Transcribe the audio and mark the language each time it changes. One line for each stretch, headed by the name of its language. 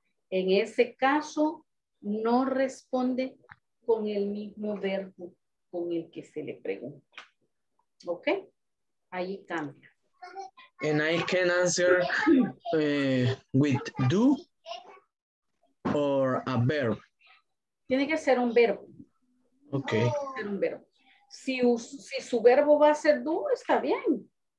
Spanish: En ese caso, no responde con el mismo verbo con el que se le pregunta. ¿Ok? Ahí cambia.
English: And I can answer with do or a verb.
Spanish: Tiene que ser un verbo. Ok. Ser un verbo. Si su verbo va a ser do, está bien.